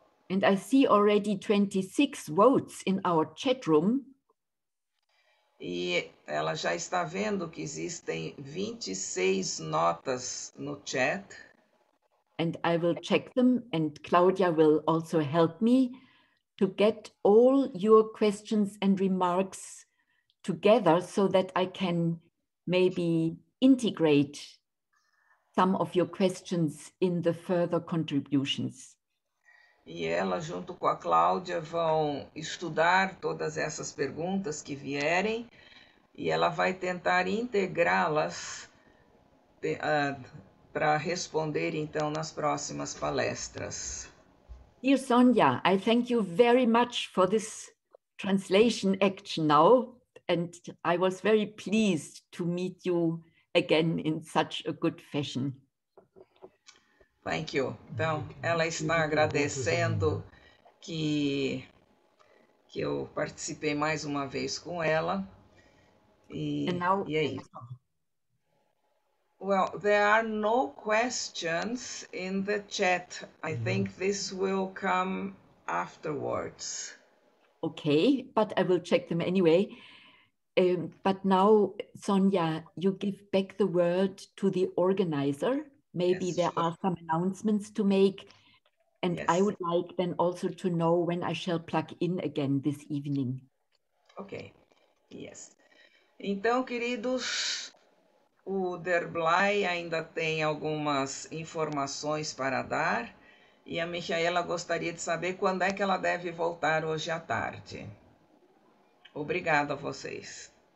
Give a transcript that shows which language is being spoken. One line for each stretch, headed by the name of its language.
English: And I see already 26 votes in our chat room.
Portuguese: E ela já está vendo que existem 26 notas no chat.
English: And I will check them, and Claudia will also help me to get all your questions and remarks together so that I can maybe integrate some of your questions in the further contributions.
Portuguese: E ela, junto com a Cláudia, vão estudar todas essas perguntas que vierem e ela vai tentar integrá-las para responder, então, nas próximas palestras.
English: Dear Sonia, I thank you very much for this translation action now, and I was very pleased to meet you again in such a good fashion. Thank you.
Portuguese: Então, ela está agradecendo que eu participei mais uma vez com ela. E é isso.
English: Well, there are no questions in the chat. I think this will come afterwards. Okay, but I will check them anyway. But now, Sonia, you give back the word to the organizer. Maybe yes, there sure. are some announcements to make. And yes. I would like then also to know when I shall plug in again this evening. Okay, yes.
Portuguese: Então, queridos, o Derblay ainda tem algumas informações para dar. E a Michaela gostaria de saber quando é que ela deve voltar hoje à tarde. Obrigado a vocês.